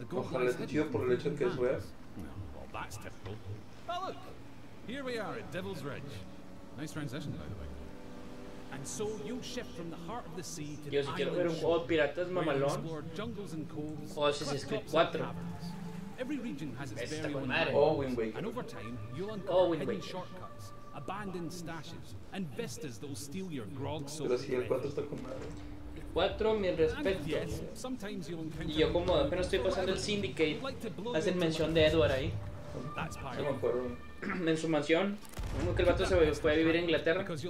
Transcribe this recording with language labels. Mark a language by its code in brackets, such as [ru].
[es] Ojalá esté chido por el hecho de que es weas. [en] No, well, that's typical. Well, look, here we are at Devil's Ridge. Nice transition, by the way. And so you shift from the heart of the sea to the island. [es] Yo si quiero ver un juego de piratas mamalón. O Assassin's Creed 4. [en] Every region has its very own rules. And over time, you'll uncover hidden shortcuts, abandoned stashes, and vistas that'll steal your grog so quickly. [es] Cuatro, mi respeto. Y yo como apenas estoy pasando el Syndicate, hacen mención de Edward ahí. No me acuerdo. En su mansión. Como que el vato se fue a vivir en Inglaterra.